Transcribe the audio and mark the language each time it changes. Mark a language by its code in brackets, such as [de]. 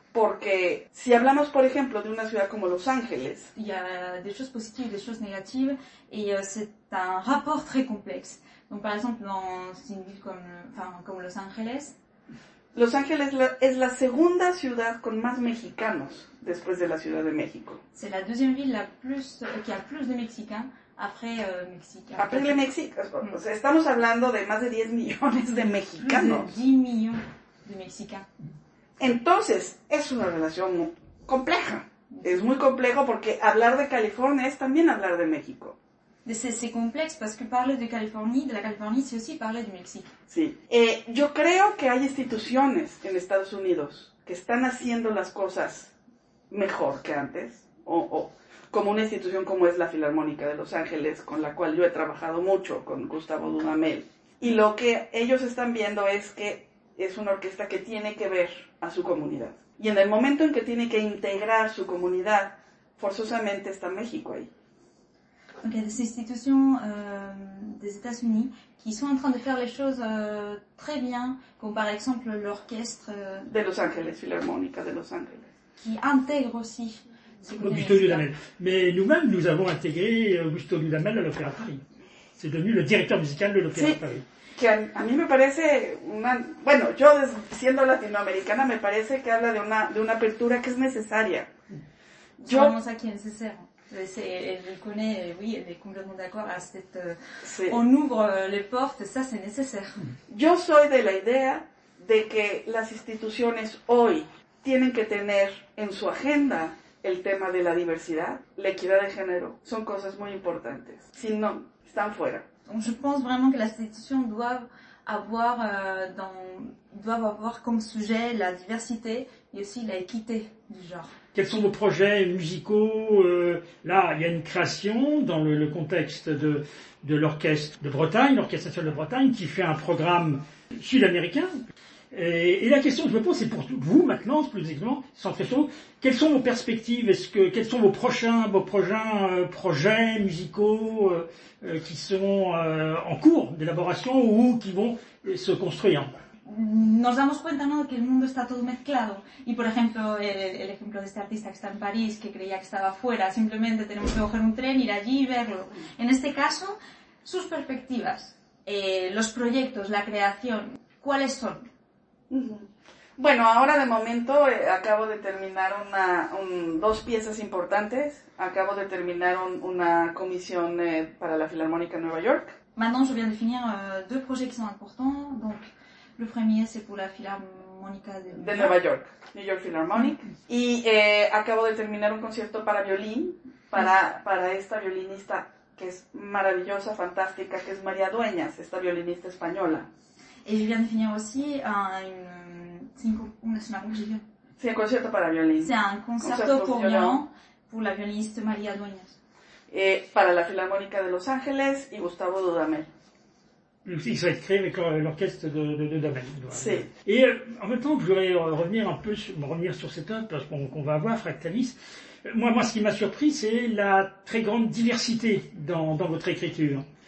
[es] Porque si hablamos, por ejemplo, de una ciudad como Los Ángeles... Hay de cosas positivas y de cosas negativas, y es un rapport muy complejo. Por ejemplo, en una ciudad como Los Ángeles... Los Ángeles es la segunda ciudad con más mexicanos después de la Ciudad de México. [fr] Es la deuxième ville la plus, que a plus de mexicanos après Mexique. Après le Mexique. [es] O sea, estamos hablando de más de 10 millones de mexicanos. [fr] Plus de 10 millones de mexicanos. [es] Entonces, es una relación muy compleja. Es muy complejo porque hablar de California es también hablar de México. [fr] C'est complexe parce que parler de la Californie, c'est aussi parler du Mexique. [es] Sí. Yo creo que hay instituciones en Estados Unidos que están haciendo las cosas mejor que antes, o como una institución como es la Filarmónica de Los Ángeles, con la cual yo he trabajado mucho, con Gustavo Dudamel. Y lo que ellos están viendo es que es una orquesta que tiene que ver a su comunidad. Y en el momento en que tiene que integrar su comunidad, forzosamente está México ahí. [fr] Donc il y a des institutions des États-Unis qui sont en train de faire les choses très bien, comme par exemple l'orchestre de Los Ángeles, Filarmónica de Los Ángeles, qui intègre aussi Gusto Dudamel. Mais nous-mêmes, nous avons intégré Gusto Dudamel à l'Opéra Paris. C'est devenu le directeur musical de l'Opéra Paris. [es] Que a mí me parece una, bueno, yo siendo latinoamericana me parece que habla de una apertura que es necesaria. Yo vamos aquí en César. [fr] Elle connaît, oui, elle est complètement d'accord à cette... Sí. On ouvre les portes, ça c'est nécessaire. [es] Yo soy de la idea de que las instituciones hoy tienen que tener en su agenda el tema de la diversidad, la equidad de género. Son cosas muy importantes. Si no, están fuera. [fr] Donc, je pense vraiment que las instituciones doivent avoir comme sujet la diversité et aussi la équité du genre. Quels sont vos projets musicaux? Là, il y a une création dans le contexte de l'Orchestre de Bretagne, l'Orchestre national de Bretagne, qui fait un programme sud-américain. Et la question que je me pose, c'est pour vous maintenant, plus exactement, sans question, quelles sont vos perspectives? Quels sont vos prochains projets musicaux qui sont en cours d'élaboration ou qui vont se construire? [es] Nos damos cuenta, ¿no?, que el mundo está todo mezclado. Y, por ejemplo, el ejemplo de este artista que está en París, que creía que estaba fuera, simplemente tenemos que coger un tren, ir allí y verlo. En este caso, sus perspectivas, los proyectos, la creación, ¿cuáles son? Bueno, ahora de momento acabo de terminar dos piezas importantes. Acabo de terminar una comisión para la Filarmónica de Nueva York. [fr] Maintenant, je viens de finir deux projets qui sont importants. Donc... Le premier, c'est pour la Philharmonica de [es] Nueva York. New York Philharmonic. Y acabo de terminar un concierto para violín, para esta violinista que es maravillosa, fantástica, que es María Dueñas, esta violinista española. [fr] Et je viens de finir aussi un [es] concierto para violín. [fr] C'est un concierto pour violon, pour la violinista María Dueñas. [es] Para la Filarmónica de Los Ángeles y Gustavo Dudamel. [fr] Il serait créé avec l'orchestre de Damel. [es] Si. [fr] Et en même temps, je voudrais revenir sur cette œuvre parce qu'on va avoir Fractalis. Moi, ce qui m'a surpris, c'est la très grande diversité dans votre écriture.